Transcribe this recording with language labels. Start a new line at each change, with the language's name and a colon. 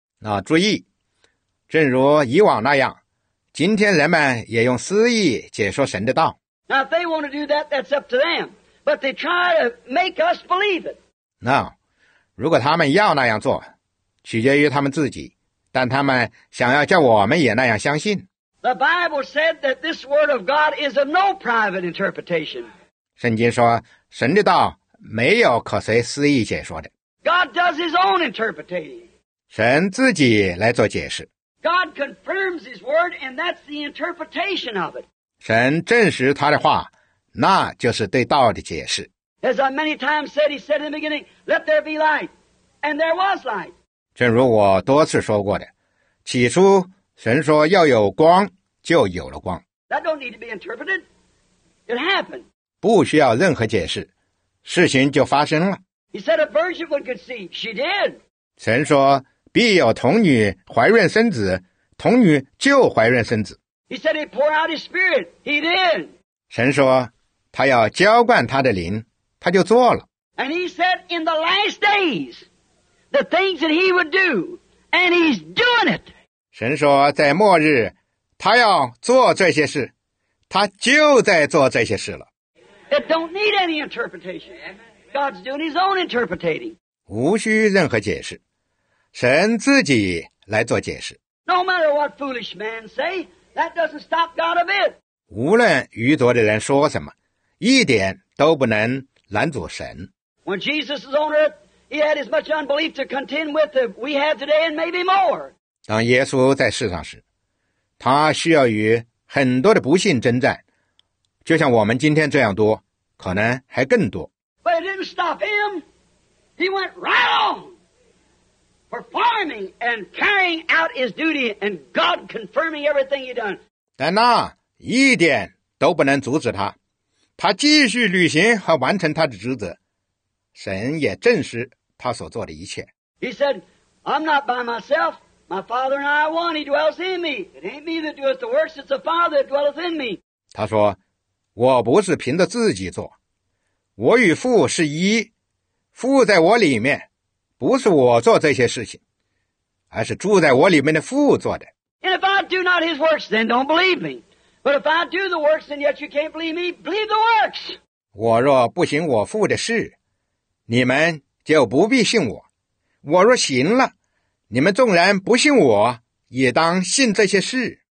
Chinese: 那注意。正如以往那样，今天人们也用私意解说神的道。
English: Now, if they want to do that, that's up to them. But they try to make us believe it. Now,
Chinese: 如果他们要那样做，取决于他们自己。但他们想要叫我们也那样相信。
English: The Bible said that this word of God is of no private interpretation.
Chinese: 圣经说，神的道没有可随私意解说的。
English: God does His own interpreting.
Chinese: 神自己来做解释。
English: God confirms His word, and that's the interpretation of it.
Chinese: 神证实他的话，那就是对道的解释。
English: As I many times said, He said in the beginning, "Let there be light," and there was light.
Chinese: 正如我多次说过的，起初神说要有光，就有了光。
English: That don't need to be interpreted; it happened.
Chinese: 不需要任何解释，事情就发生了。
English: He said a virgin would conceive; she did.
Chinese: 神说。必有童女怀孕生子，童女就怀孕生子。
English: He said he'd pour out his spirit. He did.
Chinese: 神说他要浇灌他的灵，他就做了。
English: And he said in the last days, the things that he would do, and he's doing it.
Chinese: 神说在末日，他要做这些事，他就在做这些事了。
English: It don't need any interpretation. God's doing his own interpreting.
Chinese: 无需任何解释。神自己来做解释。
English: No matter what foolish man say, that doesn't stop God a bit.
Chinese: 无论愚拙的人说什么，一点都不能拦阻神。
English: When Jesus is on earth, he had as much unbelief to contend with as we have today, and maybe more.
Chinese: 当耶稣在世上时，他需要与很多的不信征战，就像我们今天这样多，可能还更多。
English: But it didn't stop him. He went right on. Performing and carrying out his duty, and God confirming everything he done.
Chinese: 但那一点都不能阻止他，他继续履行和完成他的职责。神也证实他所做的一切。
English: He said, "I'm not by myself. My Father and I are one. He dwells in me. It ain't me that doeth the works; it's the Father that dwelleth in me."
Chinese: 他说，我不是凭着自己做，我与父是一，父在我里面。不是我做这些事情，而是住在我里面的父做的。
English: And if I do not his works, then don't believe me. But if I do the works, and yet you can't believe me, believe the works.
Chinese: 我若不行我父的事，你们就不必信我。我若行了，你们纵然不信我，也当信这些事。